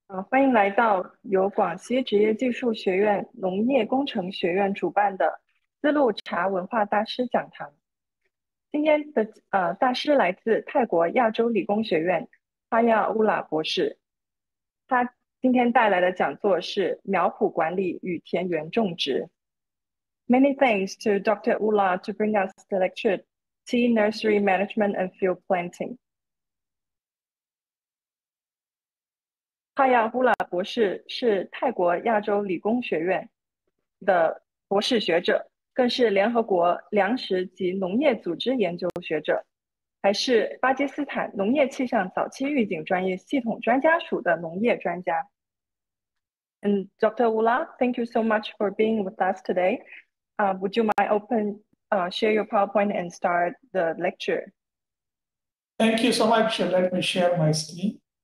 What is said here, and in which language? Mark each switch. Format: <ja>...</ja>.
<zh>欢迎来到由广西职业技术学院农业工程学院主办的丝路茶文化大师讲堂。今天的大师来自泰国亚洲理工学院，哈亚乌拉博士。他今天带来的讲座是苗圃管理与田园种植。</zh> <en>Many thanks to Dr. Ullah to bring us the lecture, Tea Nursery Management and Field Planting.</en> <zh>哈亚乌拉博士是泰国亚洲理工学院的博士学者，更是联合国粮食及农业组织研究学者，还是巴基斯坦农业气象早期预警专业系统专家署的农业专家。</zh> <en>Dr. Ula, thank you so much for being with us today. Would you mind open, share your PowerPoint and start the lecture? Thank you so much. Let me share my screen.</en>